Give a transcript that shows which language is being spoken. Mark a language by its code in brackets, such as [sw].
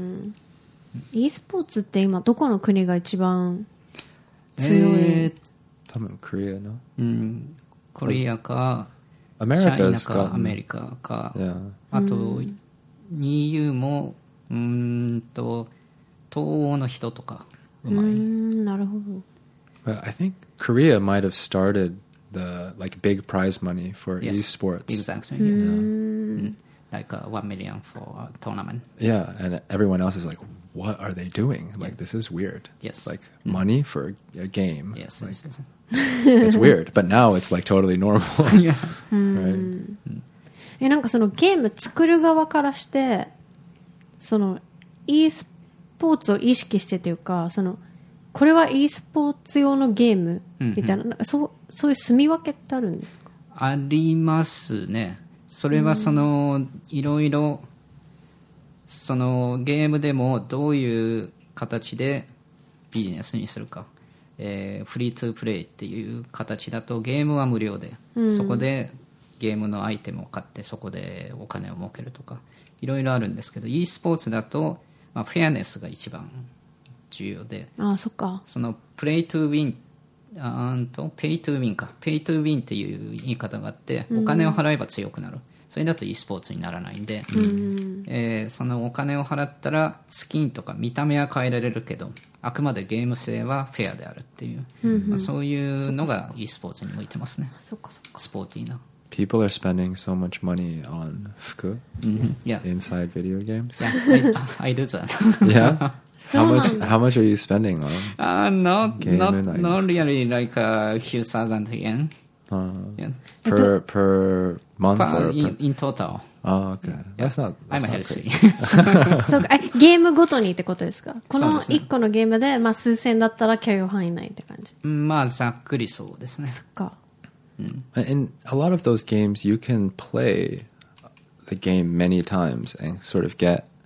[ja] うん、 e スポーツって今どこの国が一番強い？多分コリアの、うん、コリアかアメリカか、アメリカか、 [en] yeah. [ja] あと、EU も東欧の人とか上手い。なるほど。 [en] But I think Korea might have startedthe like big prize money for yes, esports. Exactly. Yeah. Mm. Like $1 million for a tournament. Yeah, and everyone else is like, what are they doing? Like, yeah. this is weird. Yes. Like money for a game. Yes. Like, yes. It's weird, but now it's like totally normal. yeah. Right. [ja] え、なんかそのゲーム作る側からして、その e スポーツを意識してというか、そのこれは e スポーツ用のゲームみたいな、うんうん、そういう住み分けってあるんですか？ありますね。それはそのいろいろそのゲームでもどういう形でビジネスにするか、フリーツープレイっていう形だとゲームは無料で、そこでゲームのアイテムを買ってそこでお金を儲けるとかいろいろあるんですけど、 e スポーツだと、まあ、フェアネスが一番重要で、ああ、そっか、そのプレイトゥーウィン、ペイトゥーウィンか、ペイトゥーウィンっていう言い方があって、うん、お金を払えば強くなる、それだと e スポーツにならないんで、うん、そのお金を払ったらスキンとか見た目は変えられるけど、あくまでゲーム性はフェアであるっていう、うん、まあ、そういうのが e スポーツに向いてますね。そっかそっか、スポーティーな。 [en] People are spending so much money on 服、うん、yeah. inside video games. Yeah, I do that. Yeah? How much are you spending on? Not really, like a few thousand yen. Per month or in total. Oh, okay. That's not. That's I'm not healthy. [ja] So, game ごとにってことですか？この一個のゲームで、まあ、数千だったら許容範囲内って感じ。まあ、ざっくりそうですね。そっか。 [en] In a lot of those games, you can play the game many times and sort of get.